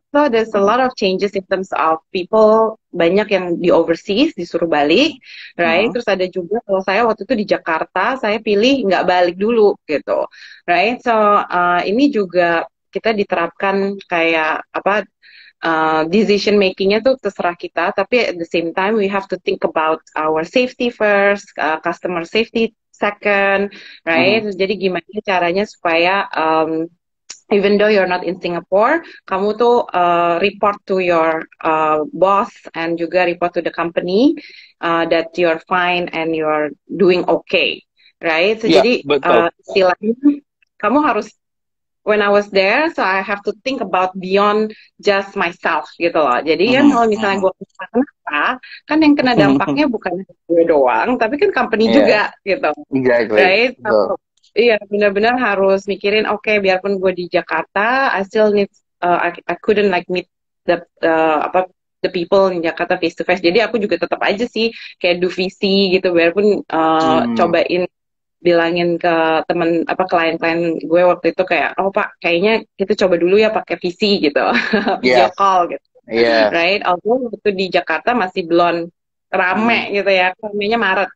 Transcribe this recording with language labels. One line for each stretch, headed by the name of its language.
English: So there's a lot of changes in terms of people.
Indonesian: Banyak yang di overseas disuruh balik, right? Uh-huh. Terus ada juga kalau saya waktu itu di Jakarta, saya pilih nggak balik dulu gitu, right? So ini juga kita diterapkan kayak apa decision makingnya tuh terserah kita, tapi
English: at the same time we have to think about our safety first, customer safety second, right? Uh-huh.
Indonesian: Terus jadi gimana caranya supaya
English: even though you're not in Singapore,
Indonesian: kamu tuh
English: report to your boss and
Indonesian: juga
English: report to the company that you're fine and you're doing okay, right? So, yeah,
Indonesian: jadi istilahnya, kamu harus,
English: when I was there, so I have to think about beyond just myself,
Indonesian: gitu loh. Jadi kan kalau misalnya gue kenapa, kan yang kena dampaknya bukan gue doang, tapi kan company yeah. juga, gitu.
English: Exactly.
Indonesian: Right? So, iya, benar-benar harus mikirin.
English: Okay,
Indonesian: biarpun gue di Jakarta,
English: I still need I couldn't like meet the apa the people in Jakarta face to face.
Indonesian: Jadi aku juga tetap aja sih kayak do VC gitu. Biarpun cobain bilangin ke teman apa klien-klien gue waktu itu kayak, oh pak, kayaknya kita coba dulu ya pakai VC gitu, video yes. call gitu.
English: Yes. Right?
Indonesian: Aku waktu di Jakarta masih belum rame gitu ya, ramenya Maret.